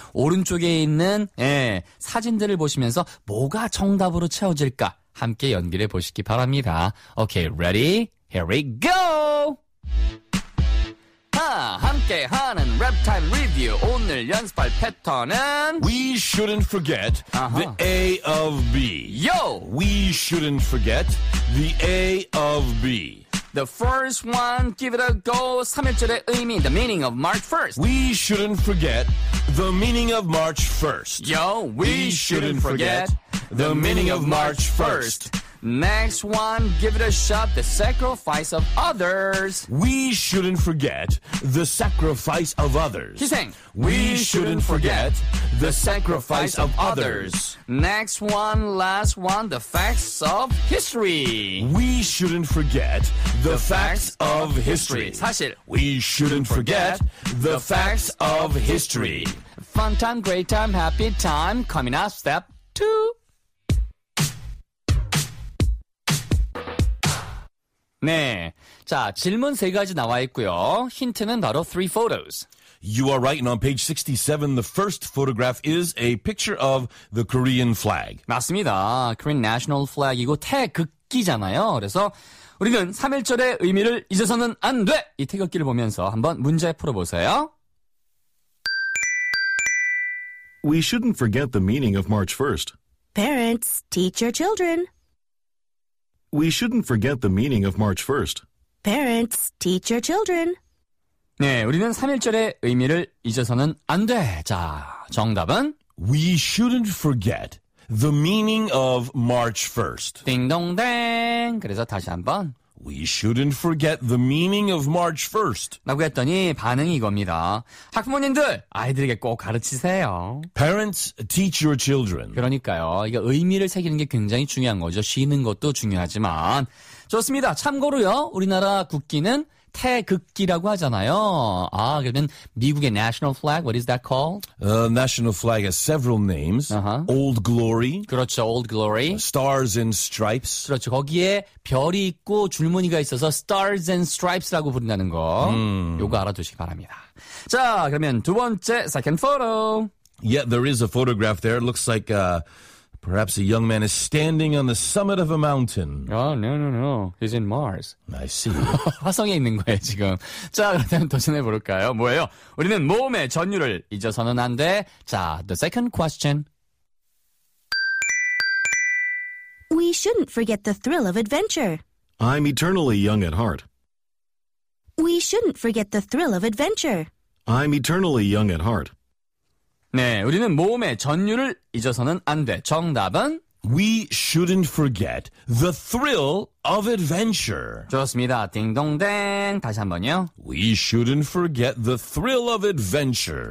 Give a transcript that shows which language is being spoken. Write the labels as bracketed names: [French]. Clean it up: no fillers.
[Korean] 오른쪽에 있는 예, 사진들을 보시면서 뭐가 정답으로 채워질까 함께 연결해 보시기 바랍니다. [English] Okay, ready? Here we go! [Korean] 함께하는 랩타임 리뷰 오늘 연습할 패턴은 [English] We shouldn't forget the A of B. Yo! We shouldn't forget the A of B. The first one, give it a go. [Korean] 3.1절의 의미, [English] the meaning of March 1st. We shouldn't forget the meaning of March 1st. Yo! We shouldn't forget the meaning of March 1st. Next one, give it a shot, the sacrifice of others. We shouldn't forget the sacrifice of others. [Korean] 희생. [English] We shouldn't forget the sacrifice of others. Next one, last one, the facts of history. We shouldn't forget the facts of history. [Korean] 사실. [English] We shouldn't forget the facts of history. Fun time, great time, happy time, coming up, step two. [Korean] 네. 자, 질문 세 가지 나와 있고요. 힌트는 바로 [English] three photos. You are right, and on page 67, the first photograph is a picture of the Korean flag. [Korean] 맞습니다. [English] Korean national flag [Korean] 이고 태극기잖아요. 그래서 우리는 3.1절의 의미를 잊어서는 안 돼! 이 태극기를 보면서 한번 문제 풀어보세요. [English] We shouldn't forget the meaning of March 1st. Parents, teach your children. We shouldn't forget the meaning of March 1st. Parents, teach your children. [Korean] 네, 우리는 3.1절의 의미를 잊어서는 안 돼. 자, 정답은? [English] We shouldn't forget the meaning of March 1st. [Korean] 띵동댕. 그래서 다시 한번. [English] We shouldn't forget the meaning of March 1st. [Korean] 라고 했더니 반응이 이겁니다. 학부모님들, 아이들에게 꼭 가르치세요. [English] Parents, teach your children. [Korean] 그러니까요. 이게 의미를 새기는 게 굉장히 중요한 거죠. 쉬는 것도 중요하지만. 좋습니다. 참고로요. 우리나라 국기는 태극기라고 하잖아요. 아, 그러면 미국의 [English] national flag, what is that called? National flag has several names. Uh-huh. Old Glory. [Korean] 그렇죠, Old Glory. [English] Stars and Stripes. [Korean] 그렇죠, 거기에 별이 있고 줄무늬가 있어서 Stars and Stripes라고 부른다는 거. 요거 알아두시기 바랍니다. 자, 그러면 두 번째, [English] second photo. Yeah, there is a photograph there. It looks like perhaps a young man is standing on the summit of a mountain. Oh, no, no, no. He's in Mars. I see. [Korean] 화성에 있는 거예요, 지금. 자, 그럼 도전해 볼까요? 뭐예요? 우리는 모험의 전율을 잊어서는 안 돼. 자, [English] the second question. We shouldn't forget the thrill of adventure. I'm eternally young at heart. We shouldn't forget the thrill of adventure. I'm eternally young at heart. [Korean] 네, 우리는 모험의 전율을 잊어서는 안 돼. 정답은? [English] We shouldn't forget the thrill of adventure. [Korean] 좋습니다. 딩동댕. 다시 한 번요. [English] We shouldn't forget the thrill of adventure.